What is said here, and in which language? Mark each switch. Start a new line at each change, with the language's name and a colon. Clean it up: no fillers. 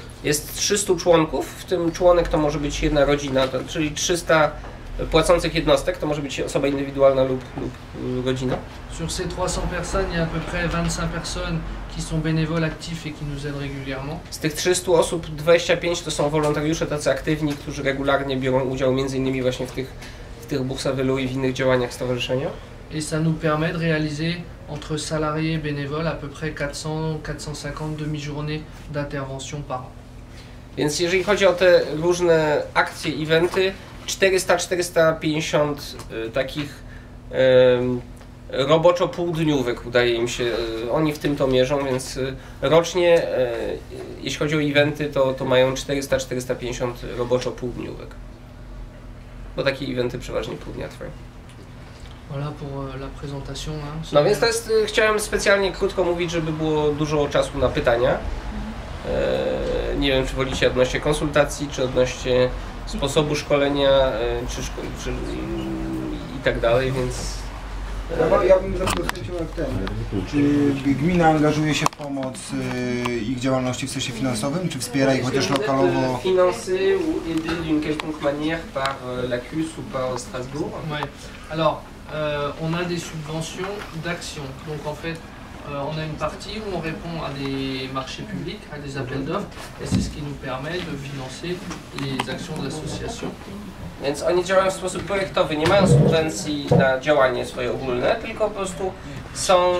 Polish: Jest 300 członków, w tym członek to może być jedna rodzina, czyli 300 płacących jednostek, to może być osoba indywidualna lub rodzina.
French: Sur ces 300 personnes, il y a à peu près 25 personnes qui sont bénévoles actifs et qui nous aident régulièrement.
Polish: Z tych 300 osób 25 to są wolontariusze tacy aktywni, którzy regularnie biorą udział między innymi właśnie w tych boursavelu i w innych działaniach stowarzyszenia.
French: Et ça nous permet de réaliser entre salariés et bénévoles à peu près 400-450 demi-journées d'intervention par an.
Polish: Więc jeżeli chodzi o te różne akcje, eventy, 400-450 takich roboczo półdniówek udaje im się, oni w tym to mierzą, więc rocznie, jeśli chodzi o eventy, to mają 400-450 roboczo półdniówek. Bo takie eventy przeważnie pół dnia trwają.
French: Voilà pour la présentation.
Polish: No więc to jest, chciałem specjalnie krótko mówić, żeby było dużo czasu na pytania. Nie wiem, czy wolicie odnośnie konsultacji, czy odnośnie sposobu szkolenia, czy i tak dalej, więc... Ja bym zapytał jak ten. Czy gmina angażuje się w pomoc ich działalności w sensie finansowym, czy wspiera ich chociaż lokalowo?
French: Finansy ou aider d'une quelconque manière par la CUS ou par Strasbourg. Ouais. Alors, on a des subventions d'action. Donc en fait, on a une partie où on répond à des marchés publics, à des appels d'offres, et c'est ce qui nous permet de financer les actions de l'association.
Polish: Więc oni działają w sposób projektowy, nie mają subwencji na działanie swoje ogólne, tylko po prostu są